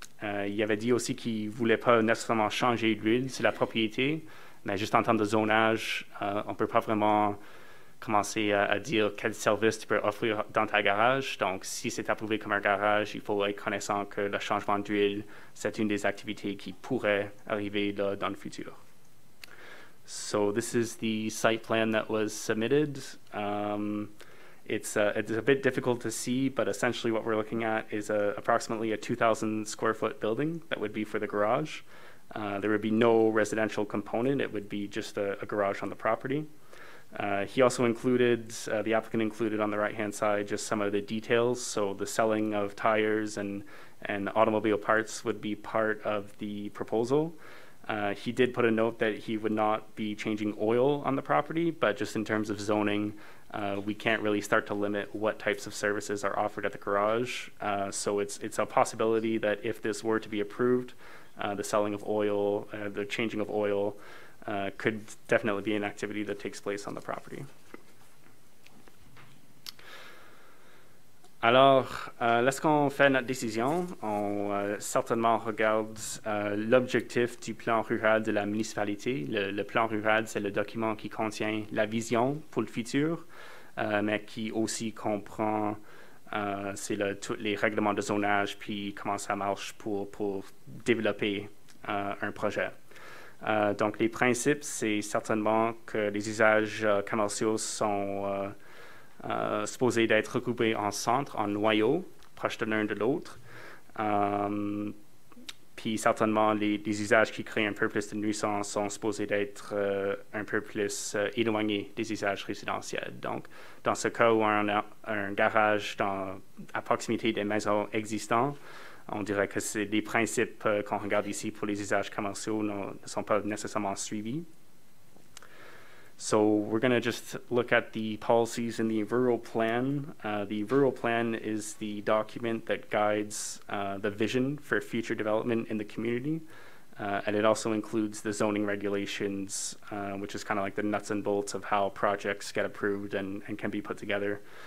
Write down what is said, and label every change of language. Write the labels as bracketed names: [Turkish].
[French] Il avait dit aussi qu'il ne voulait pas nécessairement changer l'huile sur la propriété, mais juste en termes de zonage, on ne peut pas vraiment commencer à dire quel service tu peux offrir dans ta garage. Donc, si c'est approuvé comme un garage, il faut être connaissant que le changement d'huile, c'est une des activités qui pourrait arriver là, dans le futur. [English] So, this is the site plan that was submitted. It's a bit difficult to see, but essentially what we're looking at is approximately a 2,000 square foot building that would be for the garage. There would be no residential component. It would be just a garage on the property. He also included, the applicant included on the right-hand side, just some of the details. So the selling of tires and automobile parts would be part of the proposal. He did put a note that he would not be changing oil on the property, but just in terms of zoning, we can't really start to limit what types of services are offered at the garage. So it's a possibility that if this were to be approved, the selling of oil, the changing of oil, could definitely be an activity that takes place on the property. [French] Alors, lorsqu'on fait notre décision, on certainement regarde l'objectif du plan rural de la municipalité. Le plan rural, c'est le document qui contient la vision pour le futur, mais qui aussi comprend tous les règlements de zonage, puis comment ça marche pour développer un projet. Donc, les principes, c'est certainement que les usages commerciaux sont supposés d'être regroupés en centre, en noyaux, proches de l'un de l'autre. Puis, certainement, les usages qui créent un peu plus de nuisance sont supposés d'être un peu plus éloignés des usages résidentiels. Donc, dans ce cas où on a un garage à proximité des maisons existantes, on dirait que c'est les principes qu'on regarde ici pour les usages commerciaux ne sont pas nécessairement suivis. [English] So we're going to just look at the policies in the rural plan. The rural plan is the document that guides the vision for future development in the community. And it also includes the zoning regulations, which is kind of like the nuts and bolts of how projects get approved and can be put together.